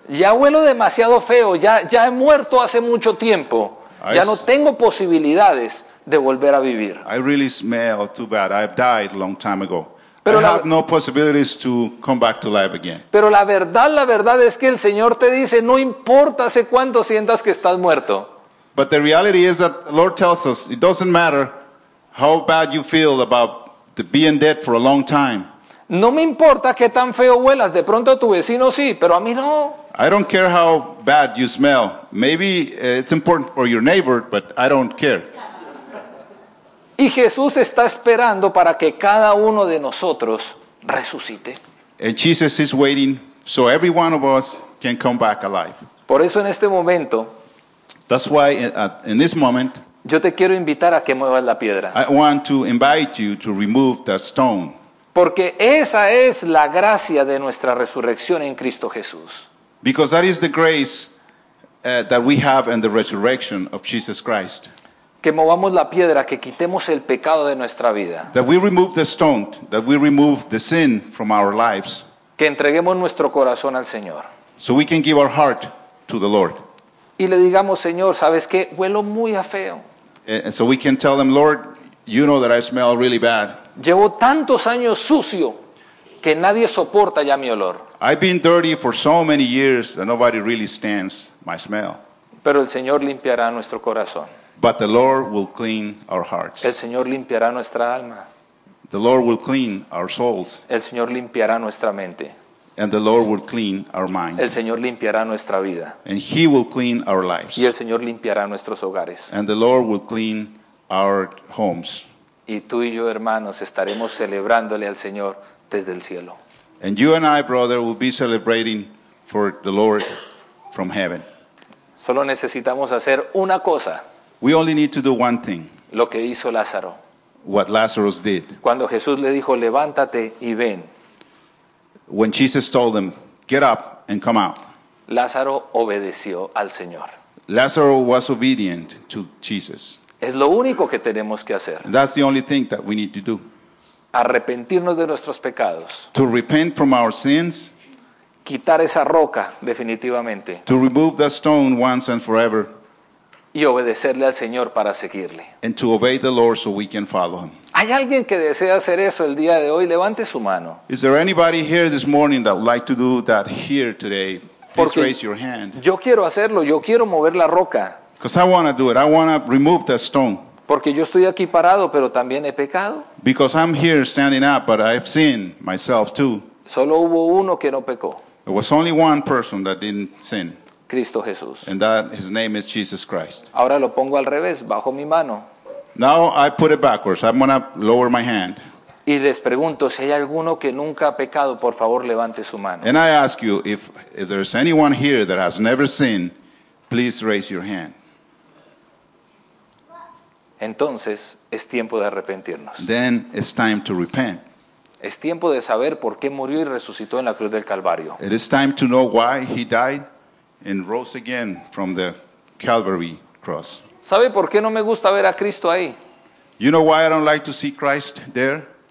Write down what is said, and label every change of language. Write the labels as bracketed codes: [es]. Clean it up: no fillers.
[es] Ya huelo demasiado feo, ya he muerto hace mucho tiempo. Ya no tengo posibilidades de volver a vivir. [en] I really smell too bad. I've died a long time ago. Pero I have no possibilities to come back to life again. [es] Pero la verdad es que el Señor te dice, no importa hace cuánto sientas que estás muerto. [en] But the reality is that the Lord tells us, it doesn't matter how bad you feel about the being dead for a long time. [es] No me importa qué tan feo huelas, de pronto tu vecino sí, pero a mí no. [en] I don't care how bad you smell. Maybe it's important for your neighbor, but I don't care. [es] Y Jesús está esperando para que cada uno de nosotros resucite. [en] And Jesus is waiting so every one of us can come back alive. [es] Por eso en este momento, [en] that's why in this moment, [es] yo te quiero invitar a que muevas la piedra. [en] I want to invite you to remove that stone. [es] Porque esa es la gracia de nuestra resurrección en Cristo Jesús. [en] Because that is the grace that we have in the resurrection of Jesus Christ. [es] Que movamos la piedra, que quitemos el pecado de nuestra vida. [en] That we remove the stone, that we remove the sin from our lives. [es] Que entreguemos nuestro corazón al Señor. [en] So we can give our heart to the Lord. [es] Y le digamos, Señor, ¿sabes qué? Huelo muy a feo. [en] And so we can tell them, Lord, you know that I smell really bad. [es] Llevo tantos años sucio que nadie soporta ya mi olor. [en] I've been dirty for so many years that nobody really stands my smell. [es] Pero el Señor limpiará nuestro corazón. [en] But the Lord will clean our hearts. [es] El Señor limpiará nuestra alma. [en] The Lord will clean our souls. [es] El Señor limpiará nuestra mente. [en] And the Lord will clean our minds. [es] El Señor limpiará nuestra vida. [en] And He will clean our lives. [es] Y el Señor limpiará nuestros hogares. [en] And the Lord will clean our homes. [es] Y tú y yo, hermanos, estaremos celebrándole al Señor desde el cielo. [en] And you and I, brother, will be celebrating for the Lord from heaven. [es] Solo necesitamos hacer una cosa. [en] We only need to do one thing. [es] Lo que hizo Lázaro. [en] What Lazarus did. [es] Cuando Jesús le dijo, levántate y ven. [en] When Jesus told them, get up and come out. [es] Lázaro obedeció al Señor. [en] Lazarus was obedient to Jesus. [es] Es lo único que tenemos que hacer. [en] And that's the only thing that we need to do. [es] Arrepentirnos de nuestros pecados. [en] To repent from our sins. [es] Quitar esa roca definitivamente. [en] To remove that stone once and forever. [es] Y obedecerle al Señor para seguirle. [en] And to obey the Lord so we can follow him. [es] ¿Hay alguien que desea hacer eso el día de hoy? Levante su mano. [en] Is there anybody here this morning that would like to do that here today? Please [es] Porque [en] raise your hand. [es] Yo quiero hacerlo, yo quiero mover la roca. [en] Because I want to do it. I want to remove that stone. [es] Porque yo estoy aquí parado, pero también he pecado. [en] Because I'm here standing up, but I've sinned myself too. [es] Solo hubo uno que no pecó. [en] There was only one person that didn't sin. [es] Cristo Jesús. [en] And that his name is Jesus Christ. [es] Ahora lo pongo al revés, bajo mi mano. [en] Now I put it backwards. I'm going to lower my hand. [es] Y les pregunto, si hay alguno que nunca ha pecado, por favor levante su mano. [en] And I ask you, if there's anyone here that has never sinned, please raise your hand. [es] Entonces, es tiempo de arrepentirnos. [en] Then it's time to repent. [es] Es tiempo de saber por qué murió y resucitó en la cruz del Calvario. [en] It is time to know why he died and rose again from the Calvary cross. [es] ¿Sabe por qué no me gusta ver a Cristo ahí? [en] You know why I don't like to see Christ there?